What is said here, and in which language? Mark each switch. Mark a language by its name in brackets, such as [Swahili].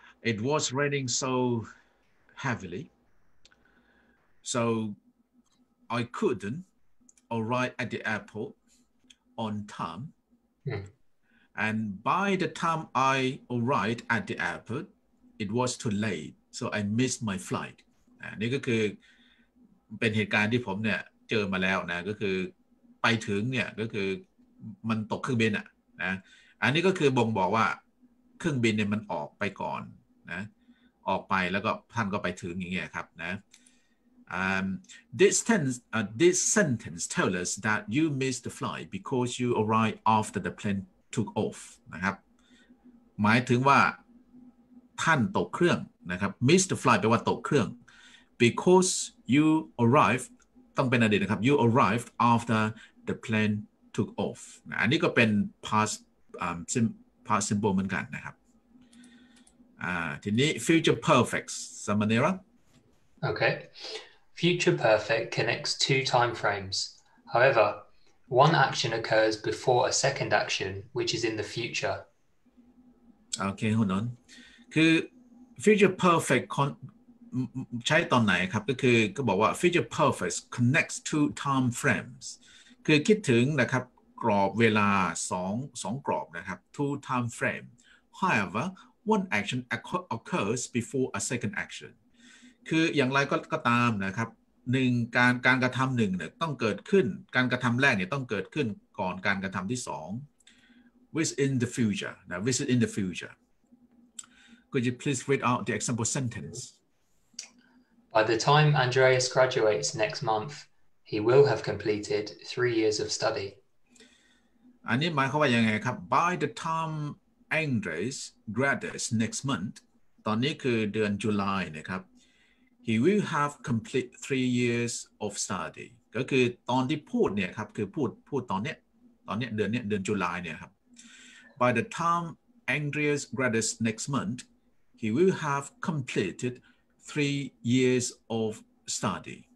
[English] It was raining so heavily, so I couldn't arrive at the airport on time. And by the time I arrived at the airport, it was too late, so I missed my flight. [Thai] นี่ก็คือเป็นเหตุการณ์ที่ผมเนี่ยเจอมาแล้วนะก็คือไปถึงเนี่ยก็คือมันตกเครื่องบินอ่ะนะอันนี้ก็คือบ่งบอกว่าเครื่องบินเนี่ยมันออกไปก่อนนะออกไปแล้วก็ท่านก็ไปถึงอย่างเงี้ยครับนะ [English] This sentence tells us that you missed the flight because you arrived after the plane took off [Thai] นะครับหมายถึงว่าท่านตกเครื่องนะครับ [English] missed the flight [Thai] แปลว่าตกเครื่อง [English] because you arrived [Thai] ต้องเป็นอดีตนะครับ [English] You arrived after the plane took off อันนี้ก็เป็น past simple เหมือนกันนะครับทีนี้ future perfect Samanera Okay future perfect connects two time frames however one action occurs before a second action which is in the future Okay hold on คือ future perfect ใช้ตอนไหนครับก็คือก็บอกว่า future perfect connects two time frames คือคิดถึงนะครับกรอบเวลา2กรอบนะครับ two time frame however one action occurs before a second action [Thai] คืออย่างไรก็ตามนะครับ 1การกระทํา1เนี่ยต้องเกิดขึ้นการกระทําแรกเนี่ยต้องเกิดขึ้นก่อนการกระทําที่2 [English] within the future [Thai] นะ within the future [English] could you please read out the example sentence by the time Andreas graduates next month he will have completed 3 years of study [Thai] อันนี้หมายความว่ายังไงครับ [English] by the time Andreas graduates next month [Thai] ตอนนี้คือเดือนกรกฎาคมนะครับ [English] He will have complete 3 years of study. [Thai] ก็คือตอนที่พูดเนี่ยครับคือพูดตอนเนี้ยเดือนเนี้ยเดือนกรกฎาคมเนี่ยครับ [English] By the time Andreas graduates next month, he will have completed 3 years of study.